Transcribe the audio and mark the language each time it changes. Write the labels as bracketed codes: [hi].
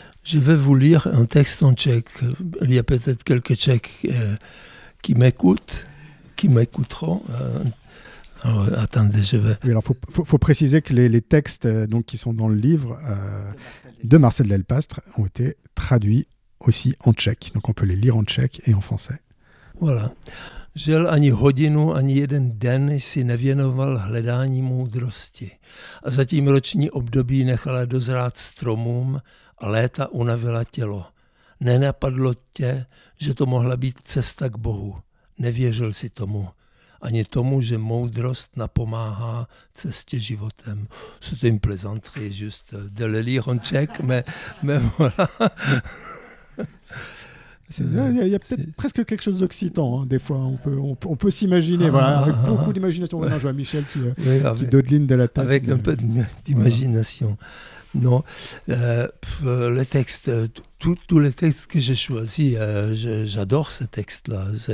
[fr] Je vais vous lire un texte en tchèque. Il y a peut-être quelques tchèques qui m'écouteront. Attendez, je vais... Oui, alors faut préciser que les textes donc, qui sont dans le livre de Marcel Delpastre ont été traduits aussi en tchèque. Donc on peut les lire en tchèque et en français. Voilà. [cs] Žel ani hodinu, ani jeden den si nevěnoval hledání moudrosti a zatím roční období nechala dozrát stromům a léta unavila tělo. Nenapadlo tě, že to mohla být cesta k Bohu. Nevěřil si tomu. Ani tomu, že moudrost napomáhá cestě životem. [fr] C'est une plaisanterie, juste de le lire en tchèque, mais voilà. Il y a peut-être presque quelque chose d'occitan, hein, des fois. On peut s'imaginer, avec beaucoup d'imagination. Ouais. Non, je vois Michel qui dodeline de la tête. Avec un peu d'imagination. Voilà. Non, le texte, tous les textes que j'ai choisis, j'adore ce texte-là.